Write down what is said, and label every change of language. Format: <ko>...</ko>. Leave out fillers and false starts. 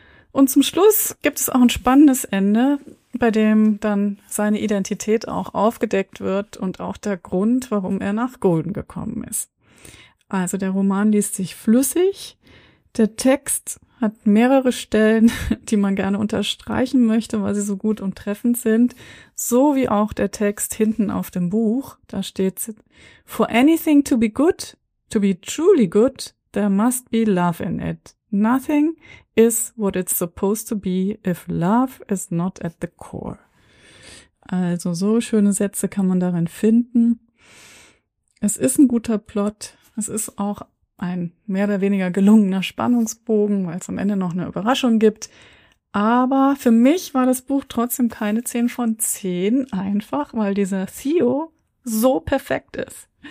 <de>Und zum Schluss gibt es auch ein spannendes Ende, bei dem dann seine Identität auch aufgedeckt wird und auch der Grund, warum er nach Golden gekommen ist. Also der Roman liest sich flüssig, der Text hat mehrere Stellen, die man gerne unterstreichen möchte, weil sie so gut und treffend sind, so wie auch der Text hinten auf dem Buch. Da steht,</de> <en>"For anything to be good, to be truly good, there must be love in it. Nothing is what it's supposed to be if love is not at the core."</en> <de>Also so schöne Sätze kann man darin finden. Es ist ein guter Plot. Es ist auch ein mehr oder weniger gelungener Spannungsbogen, weil es am Ende noch eine Überraschung gibt. Aber für mich war das Buch trotzdem keine 10 von 10, einfach weil dieser Theo so perfekt ist.</de>